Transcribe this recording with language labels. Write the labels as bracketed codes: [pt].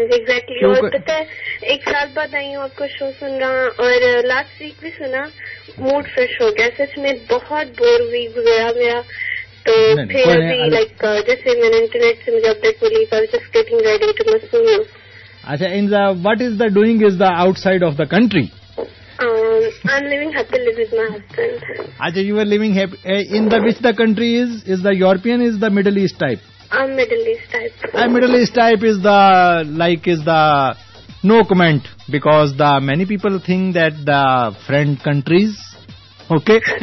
[ur] Exactly, اور پتہ ہے ایک سال بعد آئی ہوں آپ کا شو سن رہا اور لاسٹ ویک بھی سنا, موڈ فریش ہو گیا, سچ میں بہت بور ویک گزرا گیا, تو پھر بھی لائک جیسے میں نے انٹرنیٹ سے مجھے اپڈیٹ ملی, [en] Just getting ready to miss you. اچھا, and the what is the doing is the outside of the country? I'm living happily with my husband. Ajay, you are living in the, which the country is? Is the European, is the Middle East type? I'm Middle East type. Middle East type is the, like, is the no comment, because the many people think that the friend countries, okay?